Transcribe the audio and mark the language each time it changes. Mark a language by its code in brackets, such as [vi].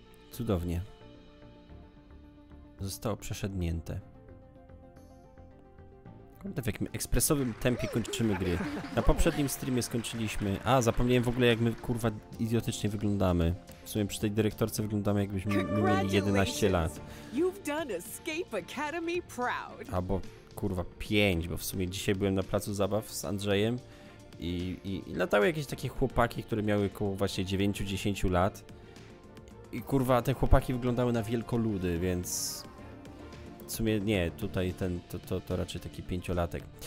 [pl] Cudownie. Zostało przeszednięte. W jakim ekspresowym tempie kończymy gry. Na poprzednim streamie skończyliśmy. A, zapomniałem w ogóle, jak my kurwa idiotycznie wyglądamy. W sumie przy tej dyrektorce wyglądamy, jakbyśmy mieli 11 lat. [en] You've done Escape Academy proud. [pl] Albo kurwa 5, bo w sumie dzisiaj byłem na placu zabaw z Andrzejem i latały jakieś takie chłopaki, które miały koło właśnie 9-10 lat. I kurwa te chłopaki wyglądały na wielkoludy, więc... W sumie nie, tutaj ten, to raczej taki pięciolatek.